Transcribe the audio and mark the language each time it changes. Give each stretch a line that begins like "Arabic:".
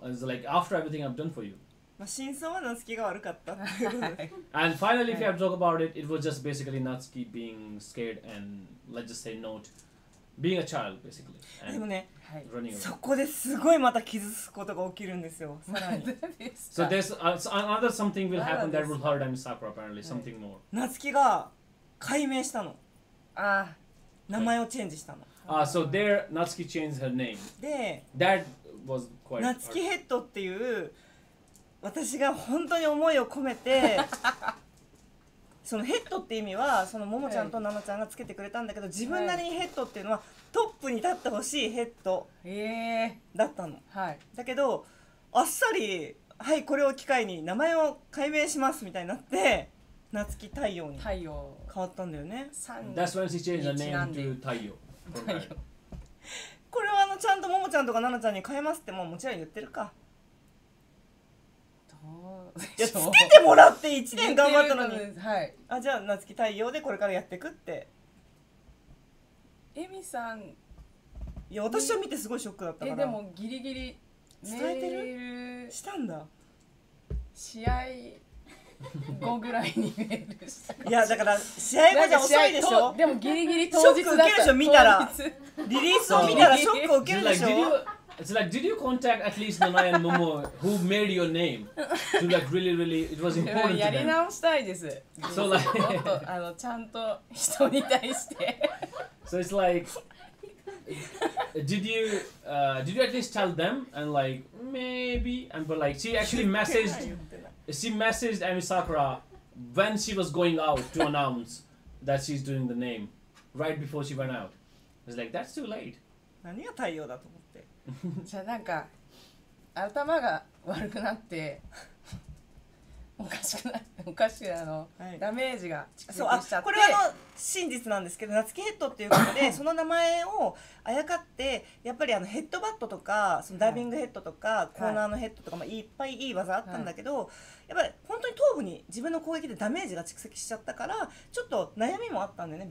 English: It's like, after everything I've done for you. And finally, if you have to talk about it, it was just basically Natsuki being scared and, let's just say, not. Being a child, basically. And
Japanese: でもね、はい、そこですごいまた傷つくことが起きるんですよ。さらに。
English: So there's another something will happen that will hurt Ami Sakura apparently, something more.
Japanese: 夏樹が改名したの。ああ、名前をチェンジしたの。
English: ああ、so there, Natsuki changed her name.
Japanese: で、
English: that was quite.
Japanese: 夏樹ヘッドっていう、私が本当に思いを込めて、そのヘッドって意味はそのももちゃんとナナちゃんがつけてくれたんだけど、自分なりにヘッドっていうのはトップに立ってほしいヘッドだったの、はい、だけどあっさり、はい、これを機会に名前を改名しますみたいになって、夏樹太陽に変わったんだよね。
English: That's when she changed the name to 太陽。
Japanese: 太陽太陽これはちゃんとももちゃんとかナナちゃんに変えますって、 もちろん言ってるか。どうゃつけてもらって1年頑張ったのに、はい、あじゃあ夏希太陽でこれからやってくってエミさん、いや私は見てすごいショックだったから、えでもギリギリ伝えてるしたんだ試合後ぐらいにメールした。いやだから試合後じゃ遅いでしょ。でもギリギリ当日だった。ショック受けるでしょ見たら。リリースを見たらショック受けるでしょ。
English: It's like, did you contact at least Nanai and Momo who made your name? To like really, really, it was important to them.
Japanese: やり直したいです。
English: So like,
Japanese: あのちゃんと人に対して。
English: So it's like, did you at least tell them and like maybe and but like she actually messaged. She messaged Ami Sakura when she was going out to announce that she's doing the name, right before she went out. I was like, that's too late.
Japanese: 何が太陽だと思って。じゃあなんか頭が悪くなっておかしくなおかしくなの、はい、ダメージが蓄積しちゃって。これはあの真実なんですけど、夏希ヘッドっていうことでその名前をあやかってやっぱりあのヘッドバットとかそのダイビングヘッドとか、はい、コーナーのヘッドとか、まあ、いっぱいいい技あったんだけど、はい、やっぱり本当に頭部に自分の攻撃でダメージが蓄積しちゃったからちょっと悩みもあったんだよね。